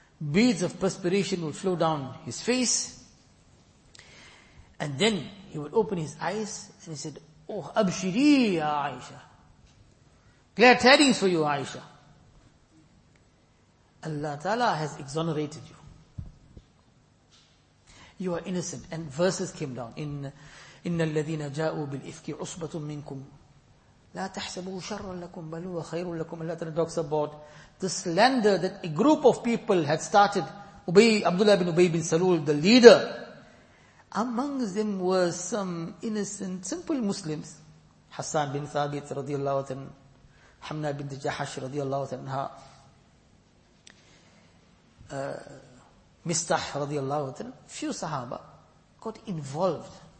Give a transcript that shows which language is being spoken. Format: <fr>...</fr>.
<en>Beads of perspiration would flow down his face. And then he would open his eyes and he said, Oh,</en> <ar>abshiri ya Aisha.</ar> <en>Glad tidings for you, Aisha. Allah Ta'ala has exonerated you. You are innocent. And verses came down.</en> <ar>إِنَّ الَّذِينَ جَاءُوا بِالْإِفْكِ عُصْبَةٌ مِّنْكُمْ لَا تَحْسَبُوا شَرًّا لَكُمْ بَلْ هُوَ خَيْرٌ لَكُمْ</ar> <en>Allah Ta'ala talks about the slander that a group of people had started. Ubay, Abdullah bin Ubay bin Salul, the leader. Among them were some innocent, simple Muslims. Hassan bin Thabit radiallahu anha, Hamna bin Jahash radiallahu anha, Mistah radiallahu anha, few sahaba got involved.</en>